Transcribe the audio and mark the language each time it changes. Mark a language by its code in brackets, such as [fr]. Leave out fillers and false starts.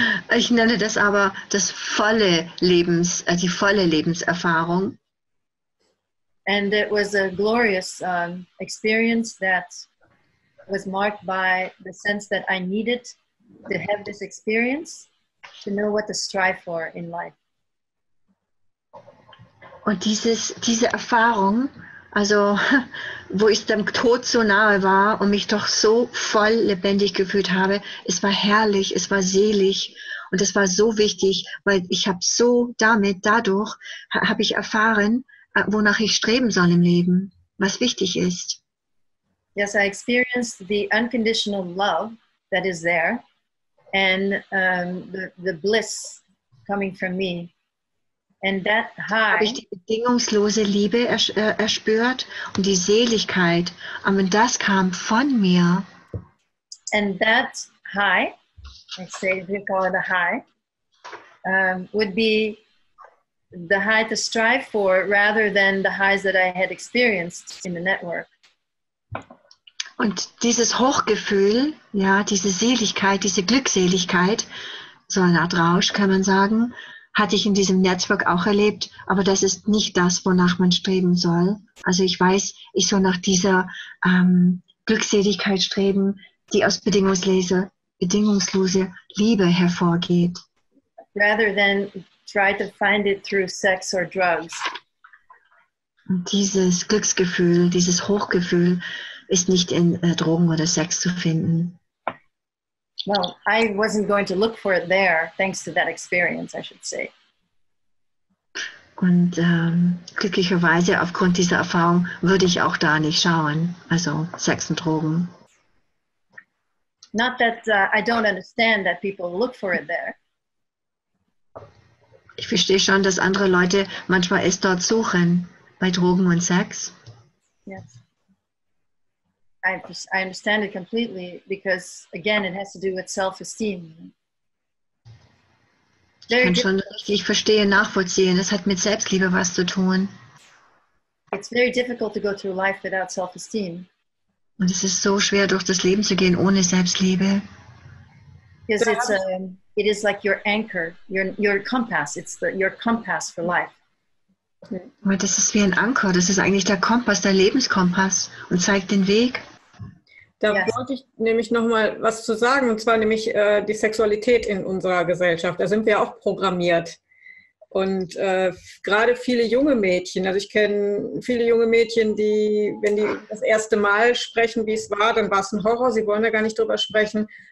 [de] Ich nenne das aber das volle Lebens, die volle Lebenserfahrung. [en] And it was a glorious experience that was marked by the sense that I needed to have this experience to know what to strive for in life. [de] Und diese Erfahrung, also wo ich dem Tod so nahe war und mich doch so voll lebendig gefühlt habe, es war herrlich, es war selig und es war so wichtig, weil ich habe so damit, dadurch habe ich erfahren, wonach ich streben soll im Leben, was wichtig ist. [en] Yes, I experienced the unconditional love that is there and the bliss coming from me. And that high, [de] habe ich die bedingungslose Liebe erspürt und die Seligkeit, und das kam von mir. [en] And that high, I say we call it a high, would be the high to strive for rather than the highs that I had experienced in the network. [de] Und dieses Hochgefühl, ja, diese Seligkeit, diese Glückseligkeit, so eine Art Rausch kann man sagen, hatte ich in diesem Netzwerk auch erlebt, aber das ist nicht das, wonach man streben soll. Also ich weiß, ich soll nach dieser Glückseligkeit streben, die aus bedingungslose Liebe hervorgeht. [en] Rather than try to find it through sex or drugs. [de] Und dieses Glücksgefühl, dieses Hochgefühl ist nicht in Drogen oder Sex zu finden. [en] Well, I wasn't going to look for it there, thanks to that experience, I should say. [de] Und glücklicherweise, aufgrund dieser Erfahrung, würde ich auch da nicht schauen. Also Sex und Drogen. [en] Not that I don't understand that people look for it there. [de] Ich verstehe schon, dass andere Leute manchmal es dort suchen, bei Drogen und Sex. [en] Yes. I understand it completely because, again, it has to do with self-esteem. [de] Very ich kann schon richtig verstehen, nachvollziehen. Es hat mit Selbstliebe was zu tun. [en] It's very difficult to go through life without self-esteem. [de] Und es ist so schwer, durch das Leben zu gehen ohne Selbstliebe. [en] Because it's it is like your anchor, your compass. It's your compass for life. [de] Aber das ist wie ein Anker. Das ist eigentlich der Kompass, der Lebenskompass und zeigt den Weg. Da wollte ich nämlich noch mal was zu sagen, und zwar nämlich die Sexualität in unserer Gesellschaft. Da sind wir ja auch programmiert. Und gerade viele junge Mädchen, also ich kenne viele junge Mädchen, die, wenn die das erste Mal sprechen, wie es war, dann war es ein Horror, sie wollen da gar nicht drüber sprechen.